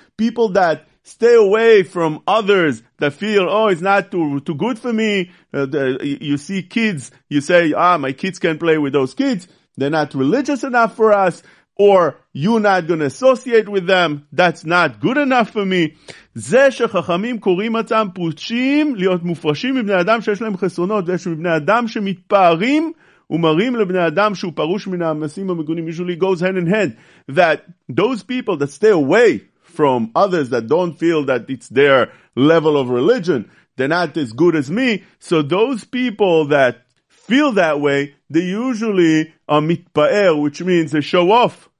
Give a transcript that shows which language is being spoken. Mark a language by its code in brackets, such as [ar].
[en] People that stay away from others that feel, oh, it's not too good for me. You see kids, you say, my kids can't play with those kids. They're not religious enough for us. Or you're not going to associate with them. That's not good enough for me. [he] זה שחכמים קוראים עצמם פרושים להיות מופרשים מבני אדם שיש להם חסרונות. ויש מבני אדם שמתפארים ומראים לבני אדם שהוא פרוש מן המסים המגונים, [en] usually goes hand in hand, that those people that stay away from others that don't feel that it's their level of religion, they're not as good as me, so those people that feel that way, they usually are mitpa'er, which means they show off.